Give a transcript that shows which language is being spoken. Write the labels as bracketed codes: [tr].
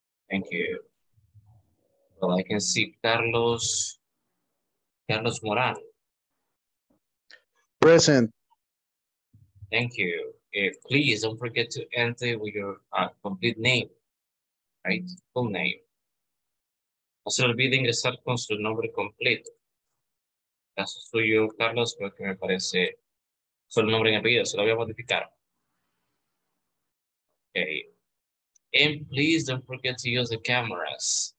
[en] Thank you. Well, I can see Carlos Moran. Present. Thank you. Please don't forget to enter with your complete name, right? Full name. [es] No se olviden ingresar con su nombre completo. Caso suyo, Carlos, creo que me parece su nombre en el video. Se lo voy a modificar. [en] Okay. And please don't forget to use the cameras.